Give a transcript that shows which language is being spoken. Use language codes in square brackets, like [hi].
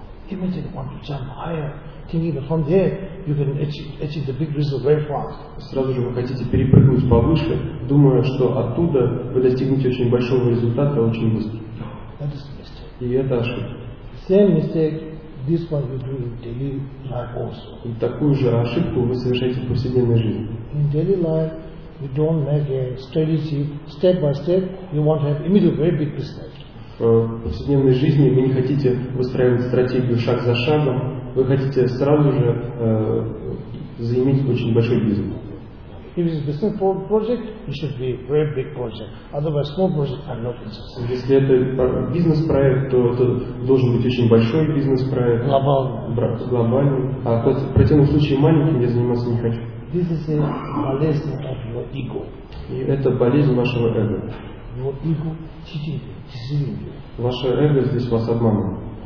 [en] Imagine want to jump higher, thinking that from there you can achieve the big result very fast. [ru] Сразу же вы хотите перепрыгнуть повыше, думая, что оттуда вы достигнете очень большого результата очень быстро. [en] That is a mistake. [ru] И это ошибка. [en] Same mistake. This one we do in daily life also. [ru] И такую же ошибку вы совершаете в повседневной жизни. [en] In daily life, we don't make a strategy step by step. You want to have immediate very big business. [ru] В повседневной жизни вы не хотите выстраивать стратегию шаг за шагом. Вы хотите сразу же заиметь очень большой бизнес. [en] If it's a business project, it should be a very big project. Otherwise, small projects are not interesting. [ru] Если это бизнес-проект, то это должен быть очень большой бизнес-проект. Глобальный. А в противном случае маленьким я заниматься не хочу. [en] This is a [ru] болезнь [en] of your ego. [ru] И это болезнь вашего эго. [en] Your ego cheating you. [ru] Ваше эго здесь вас обманывает.